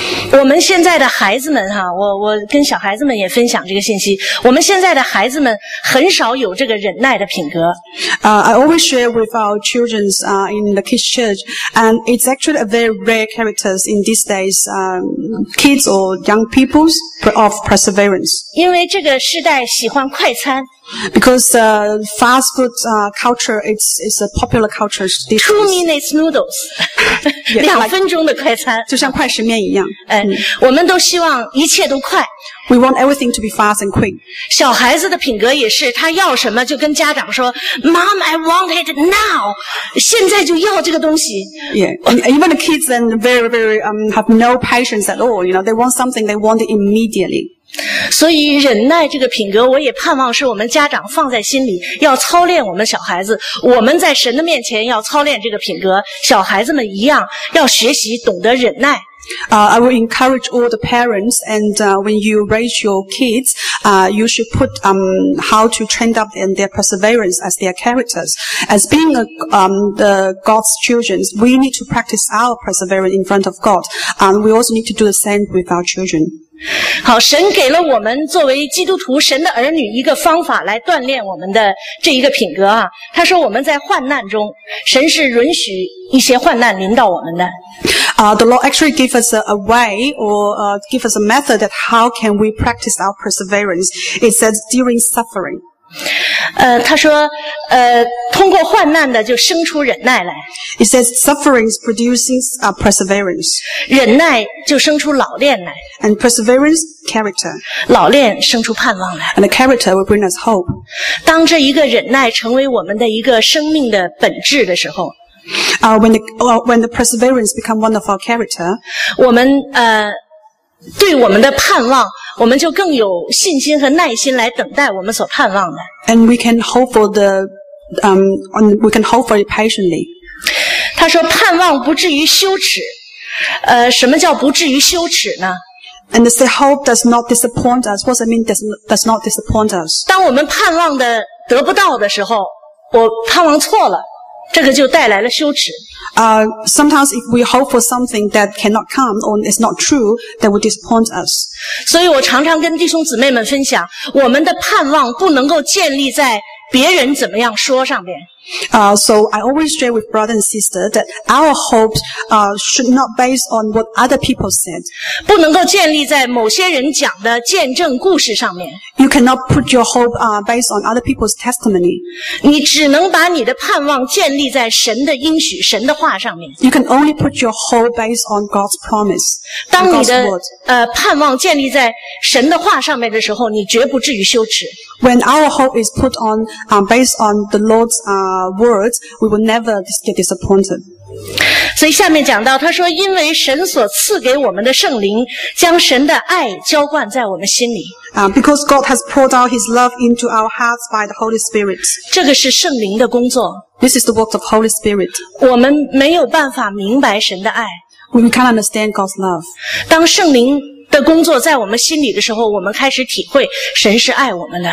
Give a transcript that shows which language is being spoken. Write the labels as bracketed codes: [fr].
[zh] 我们现在的孩子们哈，我跟小孩子们也分享这个信息。我们现在的孩子们很少有这个忍耐的品格。 [en] I always share with our children in the Kids Church, and it's actually a very rare character in these days, kids or young people of perseverance. [zh] 因为这个时代喜欢快餐。 [en] Because fast food culture is a popular culture. Two-minute noodles. [zh] 两分钟的快餐。就像快食面一样。我们都希望一切都快。 [en] We want everything to be fast and quick. [zh] 小孩子的品格也是，他要什么就跟家长说 ， [en] Mom, I want it now. [zh] 现在就要这个东西。 [en] Yeah, even the kids then very have no patience at all. You know, they want something, they want it immediately. [zh] 所以忍耐这个品格，我也盼望是我们家长放在心里，要操练我们小孩子。我们在神的面前要操练这个品格，小孩子们一样要学习懂得忍耐。 [en] I will encourage all the parents, and when you raise your kids, you should put how to train up in their perseverance as their characters. As being the God's children, we need to practice our perseverance in front of God, and we also need to do the same with our children. [zh] 好，神给了我们作为基督徒、神的儿女一个方法来锻炼我们的这一个品格啊。他说我们在患难中，神是允许一些患难临到我们的。 [en] The Lord actually gave us a way or gave us a method that how can we practice our perseverance. It says during suffering. [zh] 他说通过患难的就生出忍耐来。 [en] It says suffering produces perseverance. [zh] 忍耐就生出老练来。 [en] And perseverance, character. [zh] 老练生出盼望来。 [en] And the character will bring us hope. [zh] 当这一个忍耐成为我们的一个生命的本质的时候， [en] When the perseverance become one of our character, [zh] 我们对我们的盼望，我们就更有信心和耐心来等待我们所盼望的。 [en] And we can hope for the we can hope for it patiently. [zh] 他说盼望不至于羞耻，什么叫不至于羞耻呢？ [en] And they say hope does not disappoint us. What does it mean does not disappoint us? [zh] 当我们盼望的得不到的时候，我盼望错了。这个就带来了羞耻。 [en] Sometimes if we hope for something that cannot come or is not true, that will disappoint us. [zh] 所以我常常跟弟兄姊妹们分享，我们的盼望不能够建立在别人怎么样说上面。 [en] So I always share with brother and sister that our hopes should not based on what other people said. [zh] 不能够建立在某些人讲的见证故事上面。 [en] You cannot put your hope based on other people's testimony. [zh] 你只能把你的盼望建立在神的应许、神的话上面。 [en] You can only put your hope based on God's promise. [zh] 当你的盼望建立在神的话上面的时候，你绝不至于羞耻。 [en] When our hope is put on based on the Lord's words, we will never get disappointed. [zh] 所以下面讲到，他说，因为神所赐给我们的圣灵，将神的爱浇灌在我们心里。 [en] Because God has poured out His love into our hearts by the Holy Spirit. [zh] 这个是圣灵的工作。 [en] This is the work of Holy Spirit. [zh] 我们没有办法明白神的爱。 [en] We can't understand God's love. [zh] 当圣灵的工作在我们心里的时候，我们开始体会神是爱我们的。